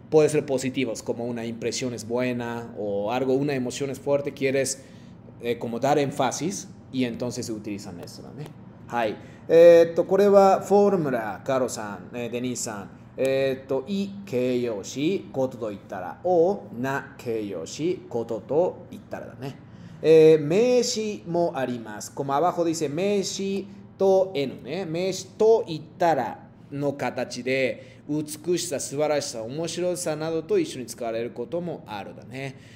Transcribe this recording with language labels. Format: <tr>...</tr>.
<es>Puede ser positivos, como una impresión es buena o algo, una emoción es fuerte, quieres como dar énfasis y entonces utilizan eso, ¿no?</es> <ja>はい。これはフォーマル、カロさん、デニーさん。い形容詞、ことと言ったら、をな形容詞、ことと言ったらだね。名詞もあります。</ja> <es>Como abajo dice,</es> <ja>名詞と N ね。名詞と言ったらの形で、美しさ、素晴らしさ、面白さなどと一緒に使われることもあるだね。</ja>